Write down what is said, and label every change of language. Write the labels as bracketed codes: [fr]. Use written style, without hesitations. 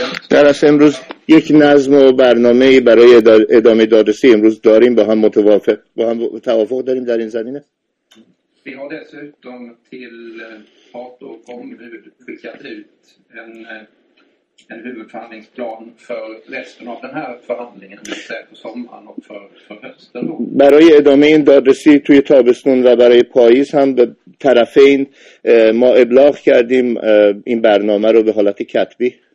[fa] در از امروز یک نظم و برنامه برای ادامه دادرسی امروز داریم با هم متوافق با هم توافق داریم در این زمینه [sv] Vi har dessutom till Hato och Kong skickat ut en huvudförhandlingsplan för resten av den här förhandlingen på sommaren och för hösten. [fa] برای ادامه این دادرسی توی تابستون و برای پاییز هم به طرفین ما ابلاغ کردیم این برنامه رو به حالت کتبی.